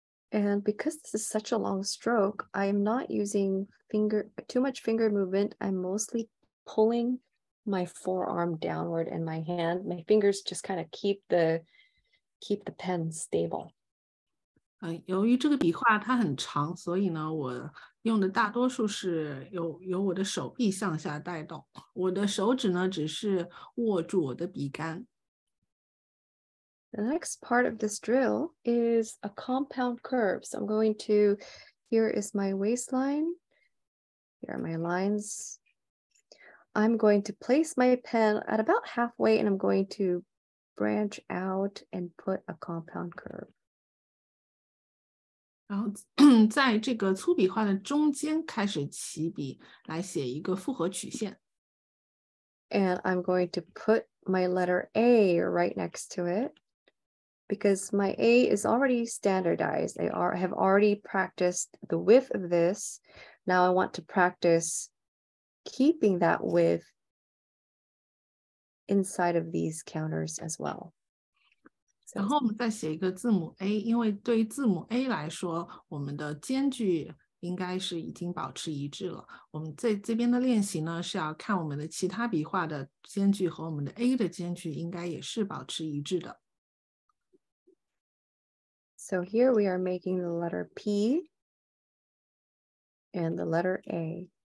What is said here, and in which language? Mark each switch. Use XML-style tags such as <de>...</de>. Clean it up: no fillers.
<en>And because this is such a long stroke, I am not using too much finger movement. I'm mostly pulling my forearm downward and my hand, my fingers just kind of keep the pen stable.</en> <zh>由于这个笔画它很长，所以呢，我用的大多数是由我的手臂向下带动，我的手指呢，只是握住我的笔杆。</zh> <en>The next part of this drill is a compound curve. So I'm going to, here is my waistline. Here are my lines. I'm going to place my pen at about halfway and I'm going to branch out and put a compound curve.</en> <zh>然后在这个粗笔画的中间开始起笔来写一个复合曲线。</zh> <en>And I'm going to put my letter A right next to it because my A is already standardized. I have already practiced the width of this. Now I want to practice keeping that width inside of these counters as well.</en> <zh>然后我们再写一个字母 A， 因为对于字母 A 来说，我们的间距应该是已经保持一致了。我们在这边的练习呢，是要看我们的其他笔画的间距和我们的 A 的间距应该也是保持一致的。</zh> <en>So here we are making the letter P and the letter A.</en>